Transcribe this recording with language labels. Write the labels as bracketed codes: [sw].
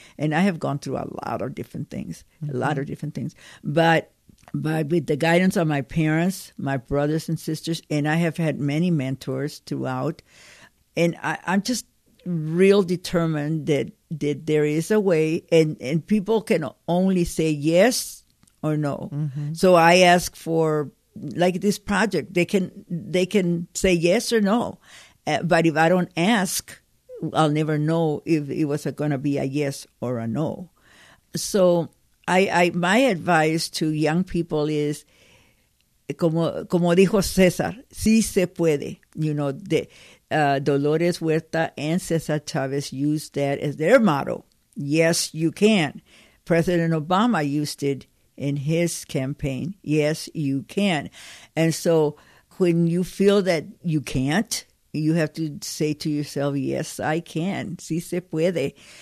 [en] And I have gone through a lot of different things, mm-hmm. But with the guidance of my parents, my brothers and sisters, and I have had many mentors throughout, and I'm just real determined that there is a way, and people can only say yes or no. Mm-hmm. So I ask for, like this project, they can say yes or no. But if I don't ask, I'll never know if it was going to be a yes or a no. So I my advice to young people is, [es] como dijo César, sí se puede. [en] You know, Dolores Huerta and César Chávez used that as their motto. Yes, you can. President Obama used it in his campaign. Yes, you can. And so when you feel that you can't, you have to say to yourself, yes, I can. [es] Sí se puede.